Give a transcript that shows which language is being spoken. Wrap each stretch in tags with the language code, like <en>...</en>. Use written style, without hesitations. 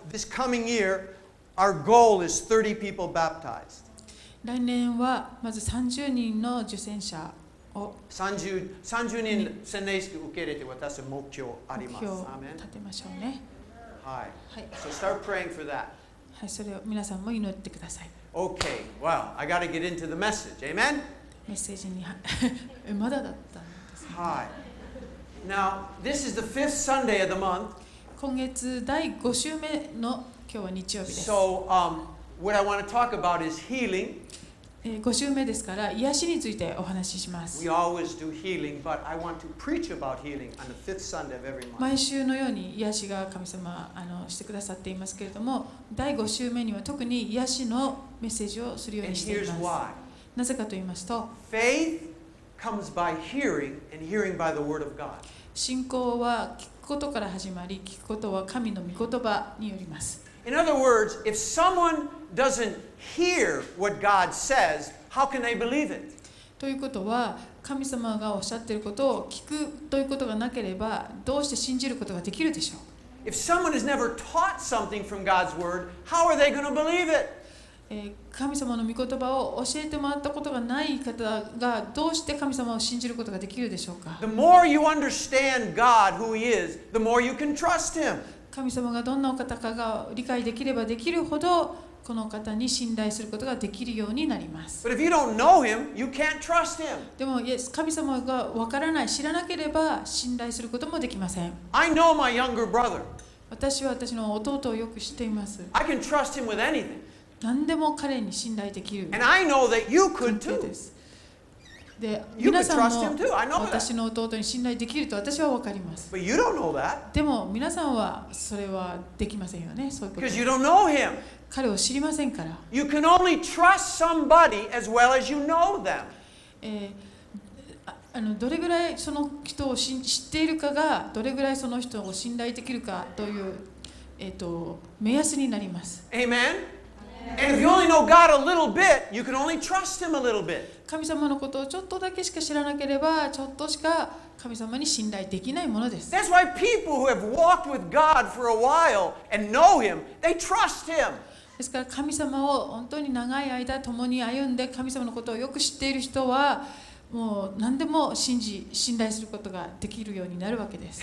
<en>This coming year, our goal is 30 people baptized.</en> <ja>来年はまず30人の受洗者。 30人洗礼式を受け入れて私は目標あります。目標を立てましょうね。はい。</ja> <en>So start praying for that.</en> <ja>はい、それを皆さんも祈ってください。</ja> <en>Okay, well, I got to get into the message. Amen?</en> <ja>メッセージに、まだだったんですか？</ja> <en>Hi. Now, this is the fifth Sunday of the month.</en> <ja>今月第5週目の今日は日曜日です。</ja> <en>So, what I want to talk about is healing.</en> <ja>5週目ですから癒しについてお話しします。</ja> <en>We always do healing, but I want to preach about healing on the fifth Sunday of every month.</en> <ja>毎週のように癒しが神様してくださっていますけれども、第5週目には特に癒しのメッセージをするようにしています。</ja> <en>And here's why.</en> <ja>なぜかと言いますと、</ja> <en>Faith comes by hearing, and hearing by the word of God.</en> <ja>信仰は聞くことから始まり、聞くことは神の御言葉によります。</ja> <en>In other words, if someone doesn't hear what God says, how can they believe it?</en> <ja>ということは、神様がおっしゃっていることを聞くということがなければ、どうして信じることができるでしょう?</ja> <en>If someone has never taught something from God's word, how are they going to believe it?</en> <ja>神様の御言葉を教えてもらったことがない方が、どうして神様を信じることができるでしょうか?</ja> <en>The more you understand God, who He is, the more you can trust Him.</en> <ja>神様がどんなお方かが理解できればできるほど、この方に信頼することができるようになります。</ja> <en>But if you don't know him, you can't trust him.</en> <ja>でも、神様がわからない、知らなければ信頼することもできません。</ja> <en>I know my younger brother.</en> <ja>私は私の弟をよく知っています。</ja> <en>I can trust him with anything.</en> <ja>何でも彼に信頼できる。</ja> <en>And I know that you could too.</en> <ja>で、皆さんも私の弟に信頼できると私はわかります。</ja> <en>But you don't know that.</en> <ja>でも、皆さんはそれはできませんよね。そういうこと。</ja> <en>Because you don't know him.</en> <ja>彼を知りませんから。</ja> <en>You can only trust somebody as well as you know them.</en> <ja>どれぐらいその人を知っているかが、どれぐらいその人を信頼できるかという、目安になります。</ja> <en>Amen. And if you only know God a little bit, you can only trust Him a little bit.</en> <ja>神様のことをちょっとだけしか知らなければ、ちょっとしか神様に信頼できないものです。</ja> <en>That's why people who have walked with God for a while and know Him, they trust Him.</en> <ja>ですから、神様を本当に長い間共に歩んで、神様のことをよく知っている人は、もう何でも信頼することができるようになるわけです。</ja>